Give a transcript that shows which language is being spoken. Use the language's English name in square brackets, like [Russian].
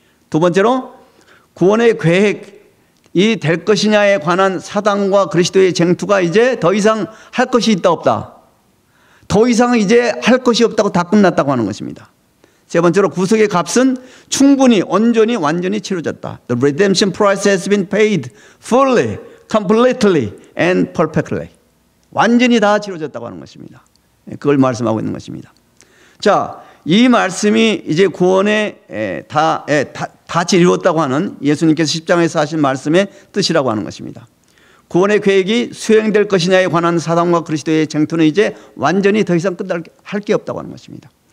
[Korean] 두 번째로 구원의 계획이 될 것이냐에 관한 사단과 그리스도의 쟁투가 이제 더 이상 할 것이 있다 없다. 더 이상 이제 할 것이 없다고 다 끝났다고 하는 것입니다. 세 번째로 구속의 값은 충분히 온전히 완전히 치러졌다. [English] The redemption price has been paid fully, completely. And perfectly. [Korean] 완전히 다 치러졌다고 하는 것입니다. 그걸 말씀하고 있는 것입니다. 자, 이 말씀이 이제 구원에 다 이루었다고 하는 예수님께서 십자가에서 하신 말씀의 뜻이라고 하는 것입니다. 구원의 계획이 수행될 것이냐에 관한 사단과 그리스도의 쟁투는 이제 완전히 더 이상 끝날 할 게 없다고 하는 것입니다.